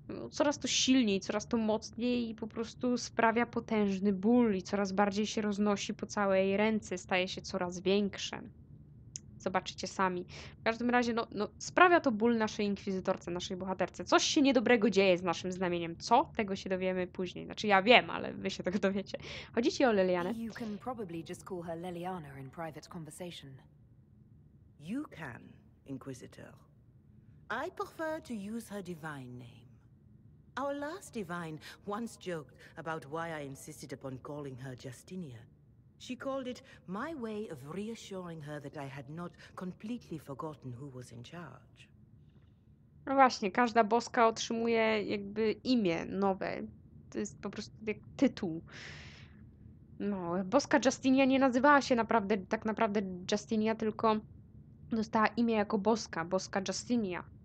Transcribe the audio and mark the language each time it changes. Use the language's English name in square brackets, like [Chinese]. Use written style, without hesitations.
[Polish] Coraz to silniej, coraz to mocniej i po prostu sprawia potężny ból i coraz bardziej się roznosi po całej ręce, staje się coraz większe. Zobaczycie sami. W każdym razie no, no, sprawia to ból naszej inkwizytorce, naszej bohaterce. Coś się niedobrego dzieje z naszym znamieniem. Co? Tego się dowiemy później. Znaczy ja wiem, ale wy się tego dowiecie. Chodzi ci o Lelianę? [English] You can probably just call her Leliana in private conversation. You can, Inquisitor. I prefer to use her divine name. Our last divine once joked about why I insisted upon calling her Justinia. She called it my way of reassuring her that I had not completely forgotten who was in charge. [Polish] No właśnie, każda boska otrzymuje jakby imię nowe. To jest po prostu jak tytuł. No, boska Justinia nie nazywała się naprawdę, tak naprawdę Justinia, tylko dostała imię jako boska, boska Justinia.